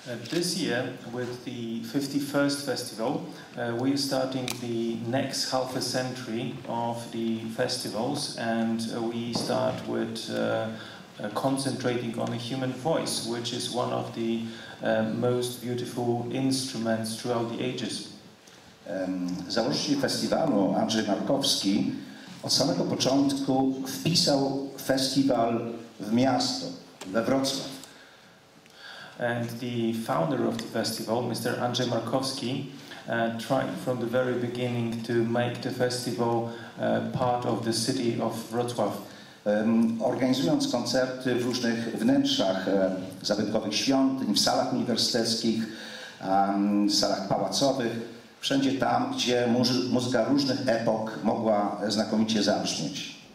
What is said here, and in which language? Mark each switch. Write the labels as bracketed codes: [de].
[en] This year, with the 51st festival, we are starting the next half a century of the festivals, and we start with concentrating on the human voice, which is one of the most beautiful instruments throughout the ages. [pl] Założyciel festiwalu, Andrzej Markowski, od samego początku wpisał festiwal w miasto, we Wrocław. [en] And the founder of the festival, Mr. Andrzej Markowski, tried from the very beginning to make the festival part of the city of Wrocław. [pl] Organizując koncerty w różnych wnętrzach zabytkowych świątyń, w salach uniwersyteckich, w salach pałacowych, wszędzie tam, gdzie muzyka różnych epok mogła znakomicie zabrzmieć.